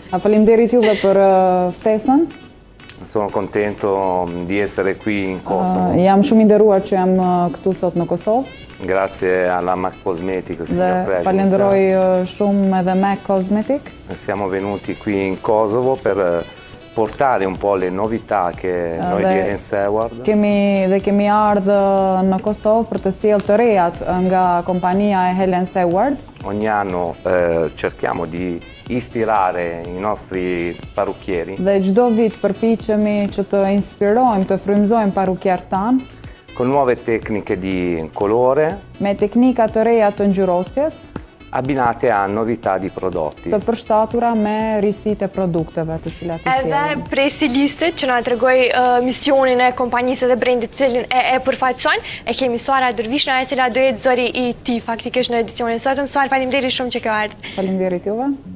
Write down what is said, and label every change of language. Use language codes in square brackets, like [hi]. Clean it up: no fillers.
[sq] Faleminderit juve për ftesën. [it] Sono contento di essere qui in Kosovo. [sq] Jam shumë i nderuar që jam këtu sot në Kosovë. [it] Grazie alla MA Cosmetics. [sq] Falenderoj shumë edhe MA Cosmetic. [it] Siamo venuti qui in Kosovo per portare un po' le novità che noi di Ensaward [sq] kemi ardhur në Kosovë për të sjellë të rejat nga kompania e Ensaward. [it] Ogni anno cerchiamo di ispirare i nostri parrucchieri. [sq] Dhe çdo vit përpiqemi që të inspirojmë, të frymëzojmë parrucchierët tan [it] con nuove tecniche di colore. [sq] Me teknika të reja të ngjyrosjes [it] abbinate a novità di prodotti. [sq] Të përshtatura me risit e produkteve të cilat të sjellim. Edhe prej silisit që na tregoi misionin e kompanisë dhe brendit cilin e përfaqësojnë, e kemi Suara Dervishna, e cila do jetë zëri i ti faktikisht në edicionin sotëm. Suara, faleminderit shumë që ke ardhur. Faleminderit juve.